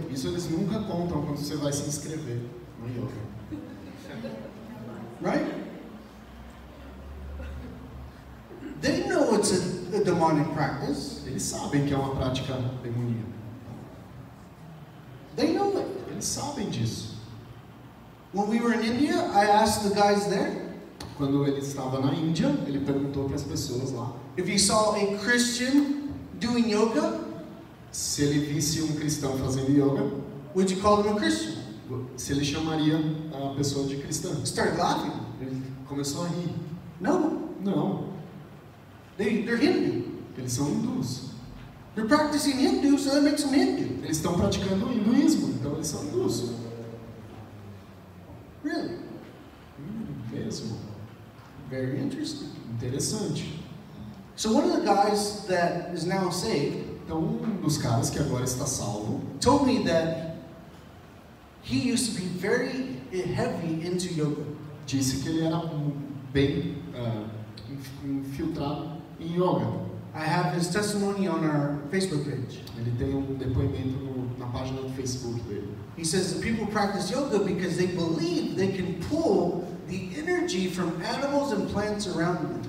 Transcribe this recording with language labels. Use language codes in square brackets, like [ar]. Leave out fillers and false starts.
[pt] Isso eles nunca contam quando você vai se inscrever no yoga. [en] Right? They know it's a demonic practice. [pt] Eles sabem que é uma prática demoníaca. [en] They know it. [pt] Eles sabem disso. [en] When we were in India, I asked the guys there. [pt] Quando ele estava na Índia, ele perguntou para as pessoas lá. [en] If he saw a Christian doing yoga, [pt] se ele visse cristão fazendo yoga, [en] would you call him a Christian? [pt] Se ele chamaria a pessoa de cristã? [en] Started laughing. [pt] Ele começou a rir. [en] No. [pt] No. [en] They're Hindu. [pt] Eles são hindus. [en] They're practicing Hindu, so that makes them Hindu. [pt] Eles estão praticando hinduísmo, então eles são hindus. [en] Really? [pt] Mesmo. [en] Very interesting. [pt] Interessante. [en] So one of the guys that is now saved, [pt] então dos caras que agora está salvo, [en] told me that he used to be very heavy into yoga. [pt] Disse que ele era bem infiltrado em yoga. [en] I have his testimony on our Facebook page. [pt] Ele tem depoimento na página do Facebook dele. [en] He says that people practice yoga because they believe they can pull the energy from animals and plants around them.